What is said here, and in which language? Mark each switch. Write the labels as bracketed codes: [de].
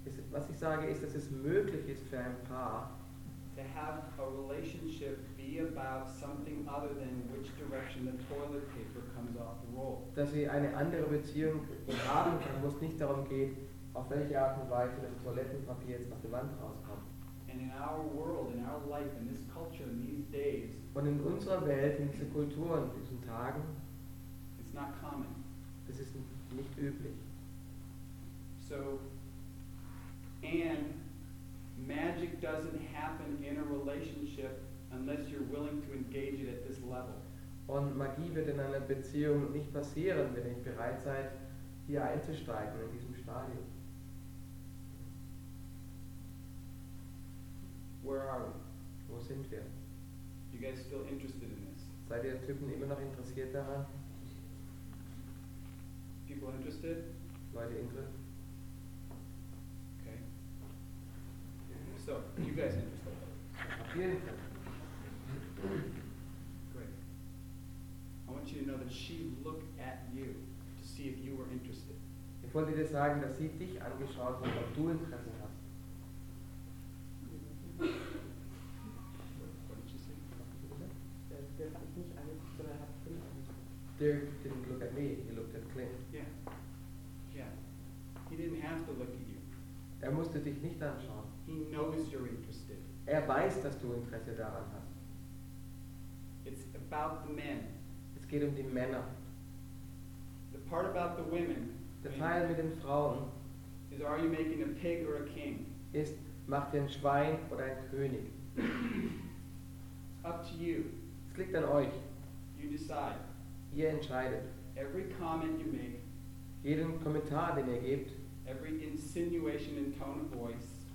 [de] Was ich sage ist, dass es möglich ist für ein Paar. [en] To have a relationship be about something other than which direction the toilet paper comes off the roll. [de] Dass sie eine andere Beziehung haben kann, wo es nicht darum geht, auf welche Art und Weise das Toilettenpapier jetzt auf die Wand rauskommt. [en] And in our world, in our life, in this culture, in these days. [de] Und in unserer Welt, in dieser Kultur, in diesen Tagen. [en] It's not common. [de] Das ist nicht üblich. [en] So, and magic doesn't happen in a relationship unless you're willing to engage it at this level. [de] Und Magie wird in einer Beziehung nicht passieren, wenn ihr nicht bereit seid, hier einzusteigen in diesem Stadium. [en] Where are we? [de] Wo sind wir? [en] You guys still interested in this? [de] Seid ihr Typen immer noch interessiert daran? [en] People interested? [de] Leute interessiert? [en] So, you guys interested? Great. I want you to know that she looked at you to see if you were interested. [de] Ich wollte dir sagen, dass sie dich angeschaut hat, ob du Interesse hast. [en] What did you say? [de] Der hat mich nicht angeschaut, sondern hat Clint angeschaut. [en] Dirk didn't look at me, he looked at Clint. Yeah. Yeah. He didn't have to look at you. [de] Er musste dich nicht anschauen. [en] He knows you're interested. [de] Er weiß, dass du Interesse daran hast. [en] It's about the men. [de] Es geht um die Männer. [en] The part about the women. [de] Der Teil mit den Frauen. [en] Is are you making a pig or a king? [de] Ist, macht ihr ein Schwein oder ein König? [en] It's up to you. [de] Es liegt an euch. [en] You decide. [de] Ihr entscheidet. [en] Every comment you make. [de] Jeden Kommentar, den ihr gebt. [en] Every insinuation in tone of voice.